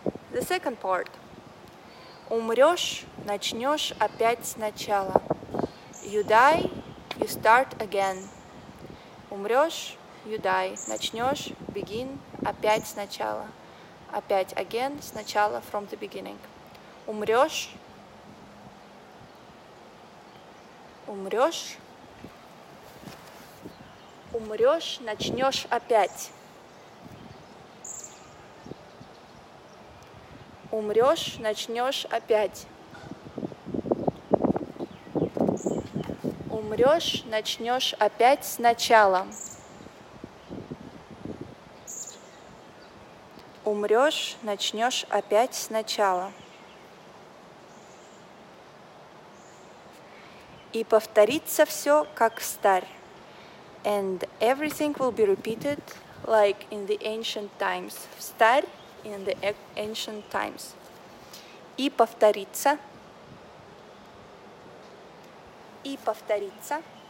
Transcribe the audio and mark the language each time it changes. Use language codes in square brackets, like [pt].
[en] The second part. [ru] Умрёшь, начнёшь опять сначала. [en] You die, you start again. [ru] Умрёшь, [en] you die, [ru] начнёшь, [en] begin, [ru] опять сначала. Опять [en] again, [ru] сначала, [en] from the beginning. [ru] Умрёшь. Умрёшь. Умрёшь, начнёшь опять. Умрёшь, начнёшь опять. Умрёшь, начнёшь опять сначала. Умрёшь, начнёшь опять сначала. И повторится всё, как старь. [en] And everything will be repeated like in the ancient times. [ru] Старь. [en] In the ancient times. [ru] И повторится. И повторится.